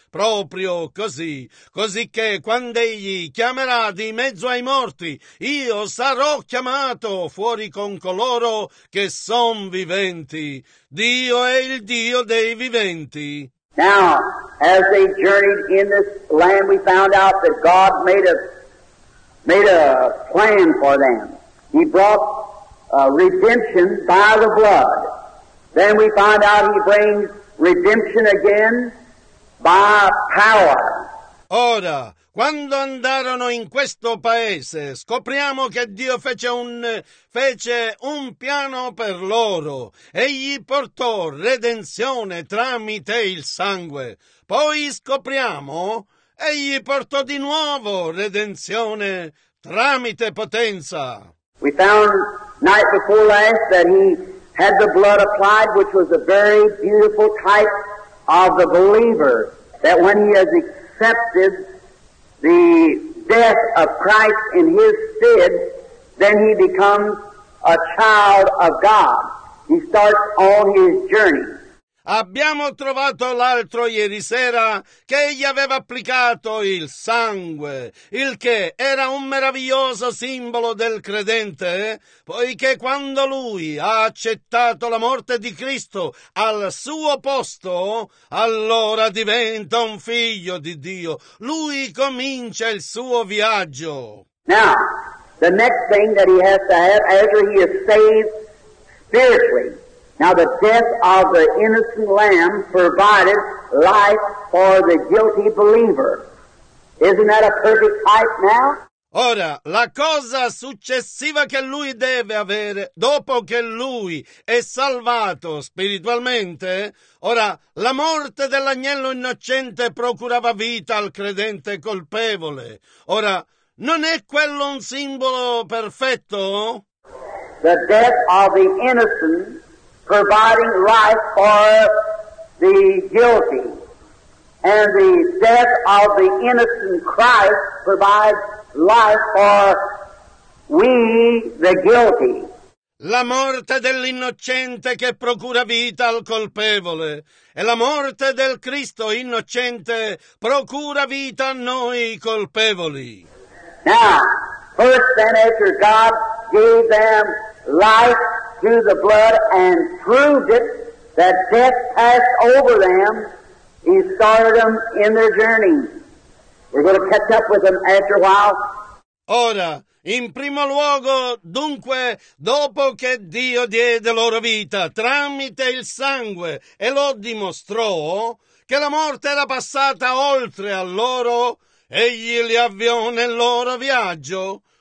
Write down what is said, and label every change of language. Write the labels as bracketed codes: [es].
[it] Proprio così, cosicché quando Egli chiamerà di mezzo ai morti, io sarò chiamato fuori con coloro che son viventi. Dio è il Dio dei viventi. [en] Now, as they journeyed in this land, we found out that God made a plan for them. He brought redemption by the blood. Then we find out He brings redemption again by power. [it] Ora, quando andarono in questo paese, scopriamo che Dio fece un piano per loro. Egli portò redenzione tramite il sangue. Poi scopriamo, egli portò di nuovo redenzione tramite potenza. [en] We found night before last that he had the blood applied, which was a very beautiful type of the believer, that when he has accepted the death of Christ in his stead, then he becomes a child of God. He starts on his journey. [it] Abbiamo trovato l'altro ieri sera che egli aveva applicato il sangue, il che era un meraviglioso simbolo del credente, poiché quando lui ha accettato la morte di Cristo al suo posto, allora diventa un figlio di Dio. Lui comincia il suo viaggio. [en] Now, the next thing that he has to have after he is saved spiritually, Now the death of the innocent lamb provided life for the guilty believer. Isn't that a perfect type now? [it] Ora, la cosa successiva che lui deve avere dopo che lui è salvato spiritualmente, ora, la morte dell'agnello innocente procurava vita al credente colpevole. Ora, non è quello un simbolo perfetto? [en] The death of the innocent providing life for the guilty. And the death of the innocent Christ provides life for we, the guilty. [it] La morte dell'innocente che procura vita al colpevole. E la morte del Cristo innocente procura vita a noi colpevoli. [en] Now, first then after God gave them life through the blood and proved it, that death passed over them, he started them in their journey. We're going to catch up with them after a while. [it] Ora, in primo luogo, dunque, dopo che Dio diede loro vita tramite il sangue e lo dimostrò, che la morte era passata oltre a loro, egli li avviò nel loro viaggio.